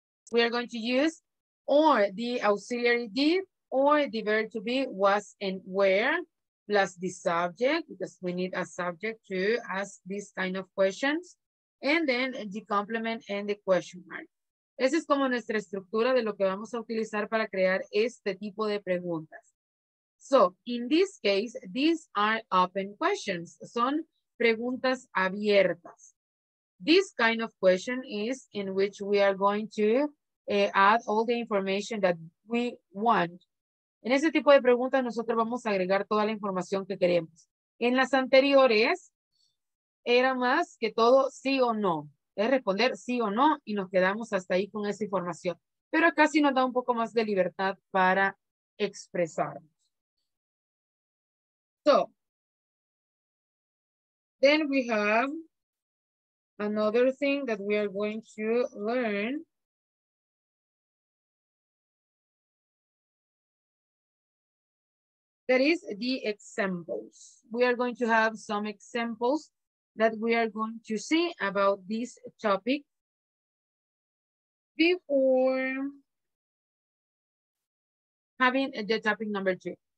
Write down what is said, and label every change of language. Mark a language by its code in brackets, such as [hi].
[en] We are going to use or the auxiliary did or the verb to be, was, and where, plus the subject, because we need a subject to ask these kind of questions, and then the complement and the question mark. [es] Esa es como nuestra estructura de lo que vamos a utilizar para crear este tipo de preguntas. [en] So, in this case, these are open questions. [es] Son preguntas abiertas. [en] This kind of question is in which we are going to add all the information that we want. [es] En ese tipo de preguntas, nosotros vamos a agregar toda la información que queremos. En las anteriores, era más que todo sí o no. Es responder sí o no y nos quedamos hasta ahí con esa información. Pero acá sí nos da un poco más de libertad para expresarnos. [en] So, then we have another thing that we are going to learn. That is the examples. We are going to have some examples that we are going to see about this topic before having the topic number two.